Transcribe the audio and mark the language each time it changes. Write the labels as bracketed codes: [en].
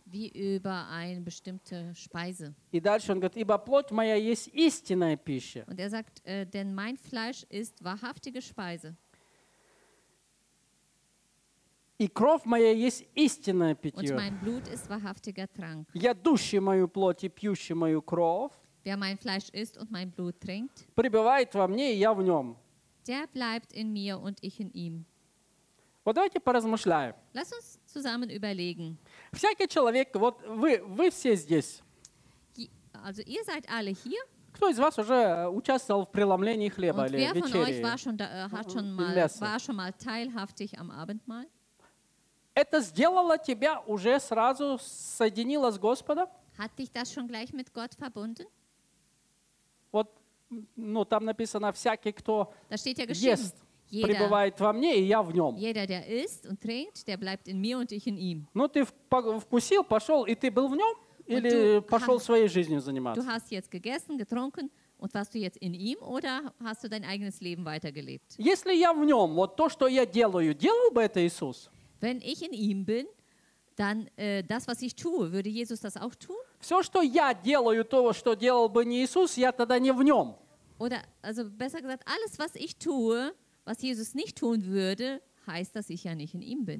[de] Wie über eine bestimmte Speise. [ru] И дальше он говорит, ибо плоть моя есть истинная пища. [de] Und er sagt, denn mein Fleisch ist wahrhaftige Speise. [ru] И кровь моя есть истинное питье. [de] Und mein Blut ist wahrhaftiger Trank. [ru] Ядущий мою плоть и пьющий мою кровь. [de] Wer mein Fleisch isst und mein Blut trinkt, [ru] пребывает во мне, и я в нем. [de] Der bleibt in mir und ich in ihm. [ru] Вот давайте поразмышляем. [de] Lass uns zusammen überlegen. [ru] Всякий человек, вот вы все здесь. [de] Also ihr seid alle hier. [ru] Кто из вас уже участвовал в преломлении хлеба [de] und [ru] или вечере? [de] Wer von euch war schon mal teilhaftig am Abendmahl? [ru] Это сделало тебя уже сразу соединило с Господом? [de] Hat dich das schon gleich mit Gott verbunden? [ru] Вот, ну, там написано, всякий, кто [de] da steht ja [ru] ест, пребывает во мне, и я в нем. [de] Jeder, der isst und trinkt, der bleibt in mir und ich in ihm. [ru] Ну, ты вкусил, пошел, и ты был в нем? Или пошел своей жизнью заниматься? [de] Du hast jetzt gegessen, getrunken, und warst du jetzt in ihm, oder hast du dein eigenes Leben weitergelebt? [ru] Если я в нем, вот то, что я делаю, делал бы это Иисус? [de] Wenn ich in ihm bin, dann das, was ich tue, würde Jesus das auch tun? [ru] Все, что я делаю, то, что делал бы не Иисус, я тогда не в нем. [de] Oder, also besser gesagt, alles, was ich tue, was Jesus nicht tun würde, heißt, dass ich ja nicht in ihm bin.